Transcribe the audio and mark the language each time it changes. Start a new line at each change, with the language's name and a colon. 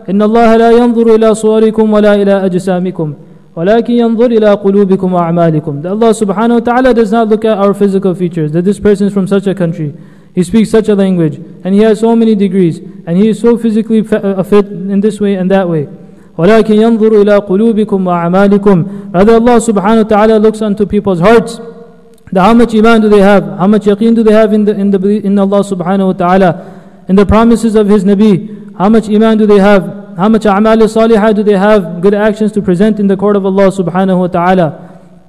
Arabic: إن الله لا ينظر إلى صوركم ولا إلى أجسامكم ولكن ينظر إلى قلوبكم وأعمالكم.
English: Allah subhanahu wa ta'ala does not look at our physical features, that this person is from such a country, he speaks such a language, and he has so many degrees, and he is so physically fit in this way and that way.
Arabic: ولكن ينظر إلى قلوبكم وأعمالكم.
English: Rather, Allah subhanahu wa ta'ala looks unto people's hearts, that how much iman do they have, how much yaqeen do they have in Allah subhanahu wa ta'ala, in the promises of his Nabi. How much iman do they have? How much a'mal salihah do they have? Good actions to present in the court of Allah subhanahu wa ta'ala.